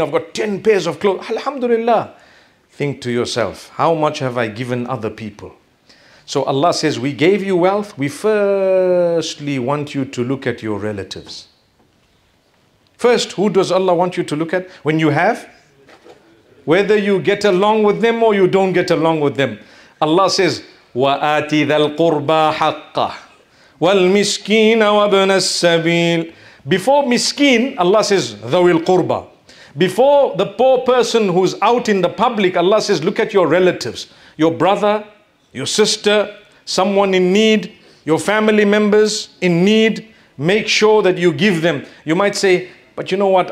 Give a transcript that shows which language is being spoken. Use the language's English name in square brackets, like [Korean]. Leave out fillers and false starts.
[English] I've got 10 pairs of clothes. Alhamdulillah. Think to yourself, how much have I given other people? So Allah says, we gave you wealth. We firstly want you to look at your relatives. First, who does Allah want you to look at when you have? Whether you get along with them or you don't get along with them. Allah says, [Arabic] وَآتِ ذَا الْقُرْبَى حَقَّهُ وَالْمِسْكِينَ وَابْنَ السَّبِيلِ. [English] Before miskeen, Allah says, [Arabic] ذَوِ الْقُرْبَى. [English] Before the poor person who's out in the public, Allah says, look at your relatives, your brother, your sister, someone in need, your family members in need. Make sure that you give them. You might say, but you know what?